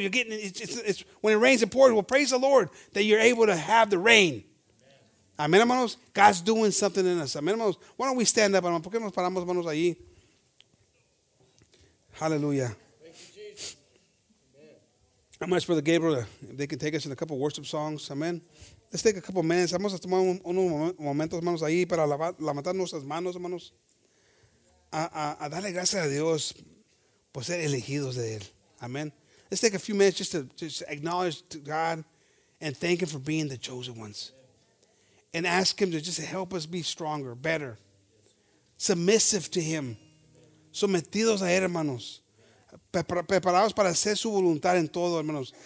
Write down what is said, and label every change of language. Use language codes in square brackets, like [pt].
[en] You're getting it's when it rains, it pours. Well, praise the Lord that you're able to have the rain. Amen, hermanos. God's doing something in us. Amen, hermanos. Why don't we stand up? [es] ¿Por qué nos paramos, hermanos, allí? [en] Hallelujah. I'm going to ask Brother Gabriel if they can take us in a couple of worship songs. Amen. Let's take a couple of minutes. [es] Vamos a tomar unos momentos, hermanos, ahí para levantar nuestras manos, hermanos. A darle gracias a Dios por ser elegidos de Él. [en] Amen. Let's take a few minutes just to just acknowledge to God and thank Him for being the chosen ones. And ask Him to just help us be stronger, better. Submissive to Him. [es] Sometidos a Él, hermanos. Preparados para hacer su voluntad en todo, hermanos.